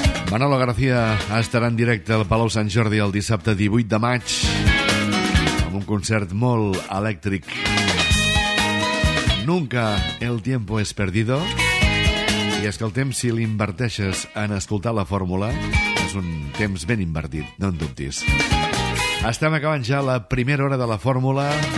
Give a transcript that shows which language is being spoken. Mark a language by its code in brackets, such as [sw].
[ca] Manolo García estarà en directe al Palau Sant Jordi el dissabte 18 de maig amb un concert molt elèctric. [es] Nunca el tiempo es perdido. [ca] I és que el temps, si l'inverteixes en escoltar la fórmula, és un temps ben invertit, no en dubtis. Estem acabant ja la primera hora de la fórmula.